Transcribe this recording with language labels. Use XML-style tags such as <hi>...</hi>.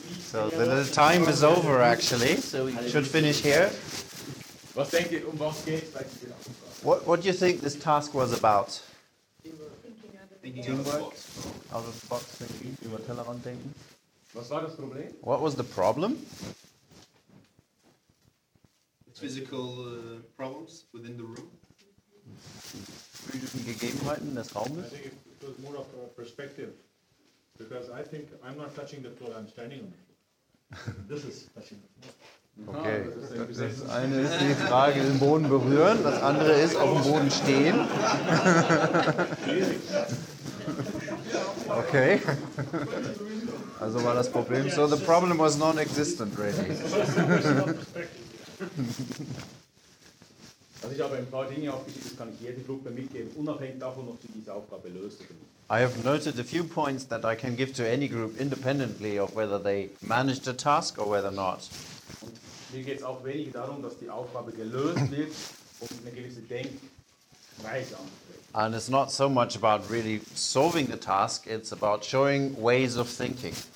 <en>So the time is over actually, so we should finish here.</en> <de>Was denkt ihr, um was geht's bei dieser Aufgabe?</de> <en>What do you think this task was about? Thinking out of the box.</en> <de>Über Tellerrand denken. Was war das Problem?</de> <en>What was the problem? The physical problems within the room.</en> <de>Physischen Gegebenheiten des Raumes.</de> <en>I think it was more of a perspective. Because I think I'm not touching the floor, I'm standing on the floor. This is touching the floor.</en> <de>Okay, das eine ist die Frage, den Boden berühren, das andere ist, auf dem Boden stehen. Okay, also war das Problem.</de> <en>So the problem was non-existent, really.</en> <de>Also ich habe ein paar Dinge aufgeschrieben, das kann ich jeder Gruppe mitgeben, unabhängig davon, ob sie diese Aufgabe löst oder nicht.</de> <en>I have noted a few points that I can give to any group independently of whether they managed a task or whether not.</en> <de>Mir geht es auch wenig darum, dass die Aufgabe gelöst wird, um eine gewisse Denkweise anzutreten.</de> <en>And it's not so much about really solving the task, it's about showing ways of thinking.</en>